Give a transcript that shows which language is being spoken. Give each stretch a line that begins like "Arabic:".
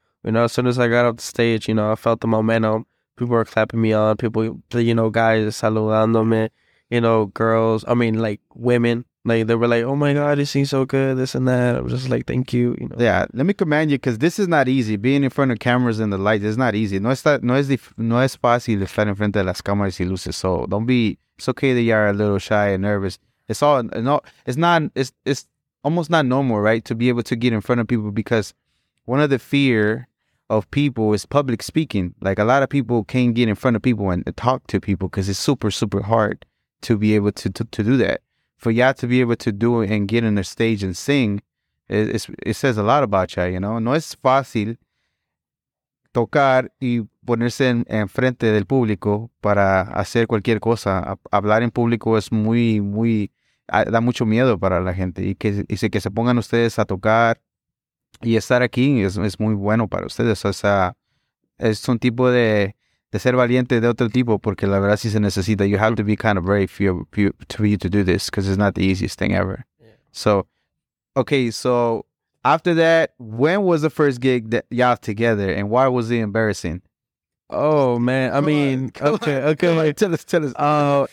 English: You know, as soon as I got off the stage, you know, I felt the momentum. People were clapping me on. People, you know, guys
Spanish: saludando me.
English: You know, girls. I mean, like, women. Like, they were like, oh, my God, it seems so good, this and that. I was just like, thank you, you know. Yeah, let me command you, because this is not easy. Being in front of cameras and the lights is not easy.
Spanish: No es fácil estar en frente de las cámaras y luces.
English: So, don't be, it's okay that you're a little shy and nervous. It's almost not normal, right, to be able to get in front of people, because one of the fear of people is public speaking. Like, a lot of people can't get in front of people and talk to people because it's super, super hard to be able to do that. For y'all to be able to do it and get on the stage and sing, it says a lot about y'all, you know?
Spanish: No es fácil tocar y ponerse en frente del público para hacer cualquier cosa. Hablar en público es muy, muy, da mucho miedo para la gente. Y que se pongan ustedes a tocar y estar aquí es muy bueno para ustedes. O sea, es un tipo de ser valiente de otro tipo, porque la verdad sí se necesita.
English: You have to be kind of brave for you to do this, because it's not the easiest thing ever. Yeah. So, okay, so after that, when was the first gig that y'all together, and why was it embarrassing? Oh, man. Tell us.